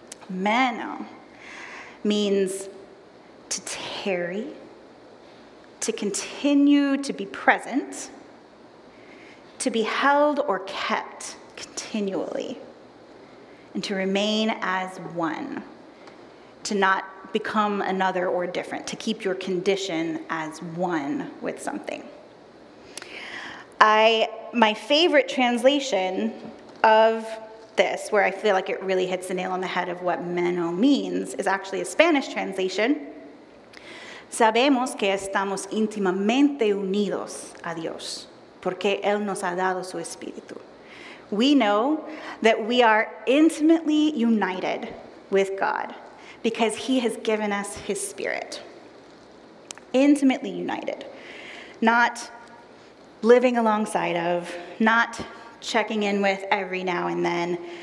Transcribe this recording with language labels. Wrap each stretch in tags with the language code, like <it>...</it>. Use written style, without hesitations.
<en>Meno means to tarry, to continue to be present, to be held or kept continually, and to remain as one, to not become another or different, to keep your condition as one with something. My favorite translation of this, where I feel like it really hits the nail on the head of what meno means, is actually a Spanish translation.</en> <es>Sabemos que estamos íntimamente unidos a Dios, porque Él nos ha dado su espíritu.</es> <en>We know that we are intimately united with God because he has given us his Spirit. Intimately united. Not living alongside of, not checking in with every now and then.</en>